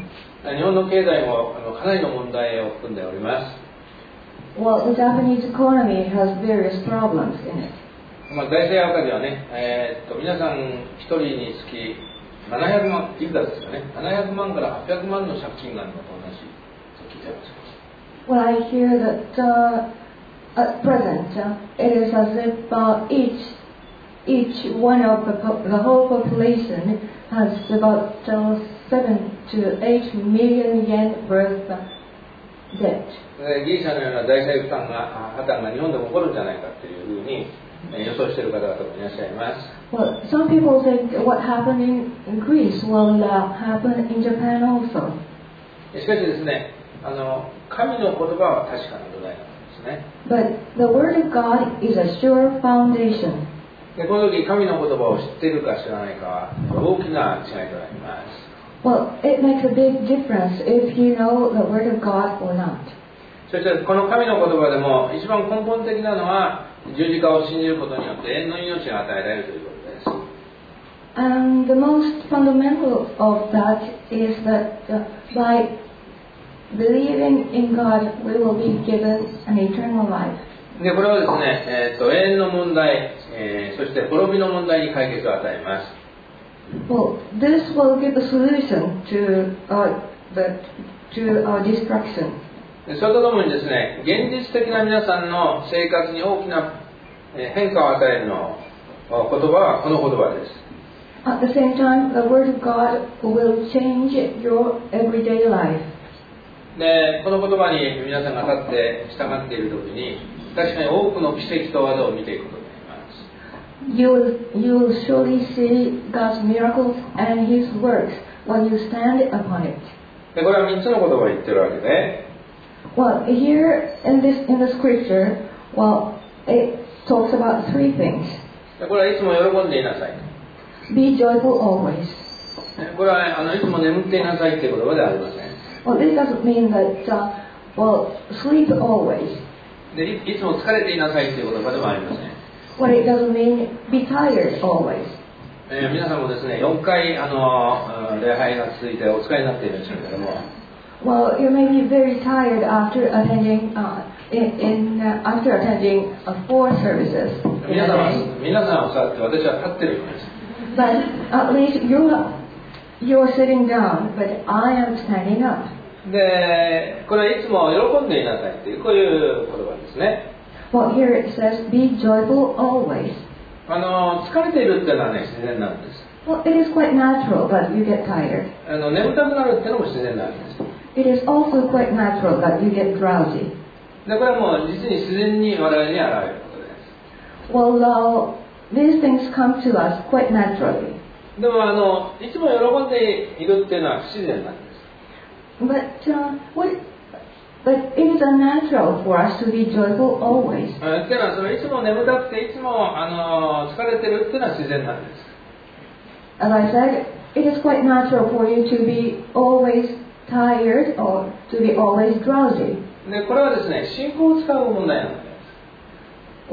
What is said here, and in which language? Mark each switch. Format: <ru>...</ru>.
<ja>日本の経済もかなりの問題を含んでおります。</ja> <en>Well, the Japanese economy has various problems in it.</en> <ja>まあ財政赤字はね、皆さん一人につき700万から800万の借金があるのと同じと聞いてます。</ja> <en>Well, I hear that at present it is as if each one of the whole population has about 7 to 8 million yen worth of debt.</en> <ja>ギリシャのような財政負担が日本でも起こるんじゃないかというふうに。予想している方々もいらっしゃいます。</ja> <en>Well, some people think what happened in Greece will happen in Japan also.</en> <ja>しかしですね、神の言葉は確かな土台なんですね。</ja> <en>But the word of God is a sure foundation.</en> <ja>で、この時神の言葉を知っているか知らないかは大きな違いとなります。</ja> <en>Well, it makes a big difference if you know the word of God or not.</en> <ja>そしてこの神の言葉でも一番根本的なのは十字架を信じることによって永遠の命が与えられるということです。</ja> <en>And the most fundamental of that is that by believing in God, we will be given an eternal life.</en> <ja>で、これはですね、永遠の問題、そして滅びの問題に解決を与えます。</ja> <en>Well, this will give a solution to our destruction.</en> <ja>それとともにですね、現実的な皆さんの生活に大きな変化を与えるの言葉はこの言葉です。</ja> <en>At the same time, the word of God will change your everyday life.</en> <ja>で、この言葉に皆さんが立って従っているときに、確かに多くの奇跡と技を見ていくことになります。</ja> <en>You will surely see God's miracles and His works when you stand upon it.</en> <ja>で、これは3つの言葉を言ってるわけで、</ja> <en>Well, here in the scripture, well, it talks about three things.</en> <ja>これはいつも喜んでいなさい。</ja> <en>Be joyful always.</en> <ja>これはあのいつも眠っていなさいという言葉ではありません。</ja> <en>Well, this doesn't mean that, well, sleep always.</en> <ja>で、いつも疲れていなさいという言葉でもありません。</ja> <en>Well, it doesn't mean be tired always.</en> <ja>皆さんもですね、4回あの礼拝が続いてお疲れになっているんですけれども、</ja> <en>Well, you may be very tired after attending after attending four services.</en> <ja>皆さんは座って、私は立ってるんです。</ja> <en>But at least you're sitting down, but I am standing up.</en> <ja>で、これはいつも喜んでいなさいっていうこういう言葉ですね。</ja> <en>Well, here it says, be joyful always.</en> <ja>疲れているっていうのはね、自然なんです。</ja> <en>Well, it is quite natural, but you get tired.</en> <ja>眠たくなるっていうのも自然なんです。</ja> <en>It is also quite natural that you get drowsy.</en> <ja>で、これはもう実に自然に我々に現れることです。</ja> <en>Well, these things come to us quite naturally.</en> <ja>でもいつも喜んでいるっていうのは不自然なんです。</ja> <en>But it is unnatural for us to be joyful always.</en> <ja>というのはそのいつも眠たくていつも疲れてるっていうのは自然なんです。</ja> <en>As I said, it is quite natural for you to be always. Tired or to be always drowsy.</en> <ja>でこれはですね、信仰を使う問題なんです。</ja>